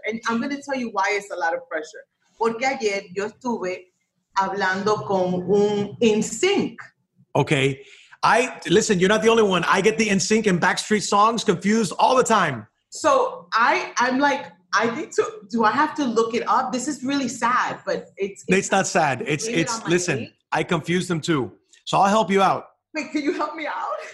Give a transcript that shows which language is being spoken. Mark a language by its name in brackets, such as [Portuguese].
[English] And I'm going to tell you why it's a lot of pressure. [Spanish] Porque ayer yo estuve hablando con un NSYNC. [English] Okay. Listen, you're not the only one. I get the NSYNC and Backstreet songs confused all the time. So I'm like, I think so. Do I have to look it up? This is really sad, but it's not sad. It's listen, name. I confuse them too. So I'll help you out. Wait, can you help me out?